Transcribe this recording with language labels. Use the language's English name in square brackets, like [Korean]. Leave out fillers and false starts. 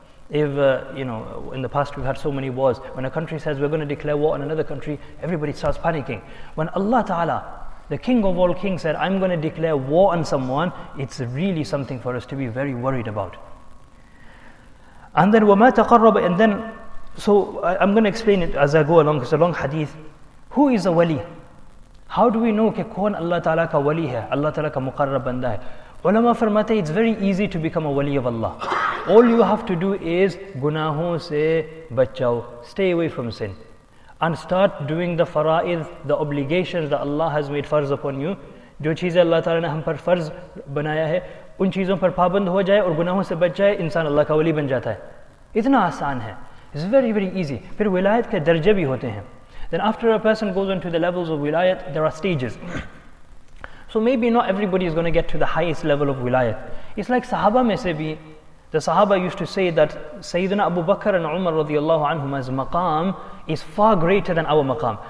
[English] In the past we've had so many wars. When a country says, we're going to declare war on another country, everybody starts panicking. When Allah Ta'ala, the King of all kings, said, I'm going to declare war on someone, it's really something for us to be very worried about. And then, [Arabic] وَمَا تَقَرَّبَ, [English] and then, so I'm going to explain it as I go along, it's a long hadith. Who is a wali? How do we know [Urdu] کہ کون اللہ تعالیٰ کا ولی ہے, اللہ تعالیٰ کا مقرب بندہ ہے؟ علماء فرماتے ہیں, [English] it's very easy to become a wali of Allah. All you have to do is [Urdu] گناہوں سے بچاؤ, [English] stay away from sin, and start doing the فرائض, the obligations that Allah has made فرض upon you. [Urdu] جو چیزیں اللہ تعالیٰ نے ہم پر فرض بنایا ہے ان چیزوں پر پابند ہو جائے اور گناہوں سے بچ جائے, انسان اللہ کا ولی بن جاتا ہے. اتنا آسان ہے. [English] It's very very easy. [Urdu] پھر ولایت کے درجے بھی ہوتے ہیں. [English] Then after a person goes into the levels of wilayat, there are stages. So maybe not everybody is going to get to the highest level of wilayat. It's like sahaba [Urdu] mein se bhi, [English] the sahaba used to say that Sayyidina Abu Bakr and Umar radiallahu anhumas maqam is far greater than our maqam.